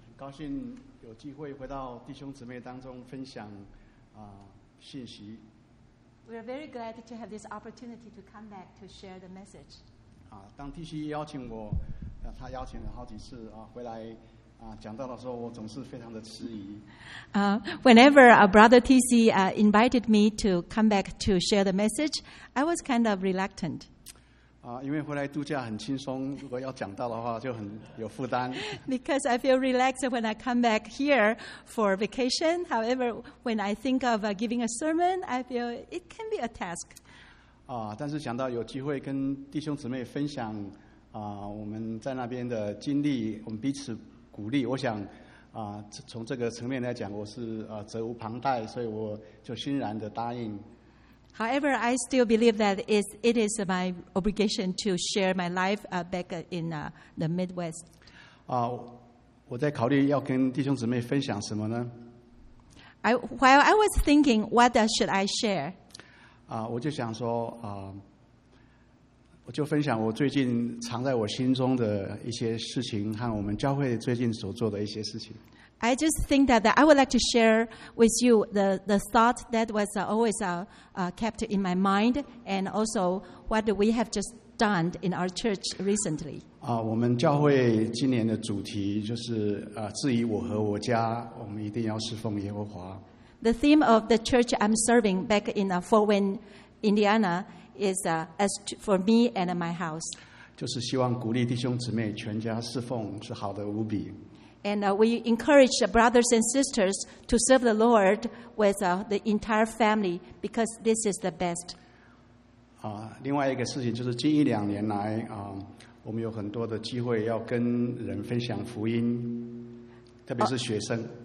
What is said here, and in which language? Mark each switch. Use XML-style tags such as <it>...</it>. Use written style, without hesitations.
<zh>高兴有机会回到弟兄姊妹当中分享信息。</zh> <en>We are very glad to have this opportunity to come back to share the message.</en> <zh>当弟兄邀请我，他邀请了好几次回来。讲到的时候我总是非常的迟疑。</zh> <en>Whenever Brother TC invited me to come back to share the message, I was kind of reluctant.</en> <zh>因为回来度假很轻松，如果要讲到的话就很有负担。</zh> <en>Because I feel relaxed when I come back here for vacation. However, when I think of giving a sermon, I feel it can be a task.</en> <zh>但是想到有机会跟弟兄姊妹分享我们在那边的经历，我们彼此鼓励，我想从这个层面来讲，我是责无旁贷，所以我就欣然的答应。</zh> <en>However, I still believe that it is my obligation to share my life back in the Midwest.</en> <zh>我在考虑要跟弟兄姊妹分享什么呢</zh> <en>？While I was thinking, what should I share?</en> <zh>我就想说我就分享我最近藏在我心中的一些事情和我们教会最近所做的一些事情。</zh> <en>I just think that I would like to share with you the thought that was always kept in my mind and also what we have just done in our church recently.</en> <zh>我们教会今年的主题就是至于我和我家，我们一定要侍奉耶和华。</zh> <en>The theme of the church I'm serving back in Fort Wayne, Indiana. Is as for me and my house.</en> <zh>就是希望鼓励弟兄姊妹全家侍奉是好的无比。</zh> <en>And we encourage brothers and sisters to serve the Lord with the entire family because this is the best.</en> <zh>另外一个事情就是近一两年来我们有很多的机会要跟人分享福音，特别是学生。</zh>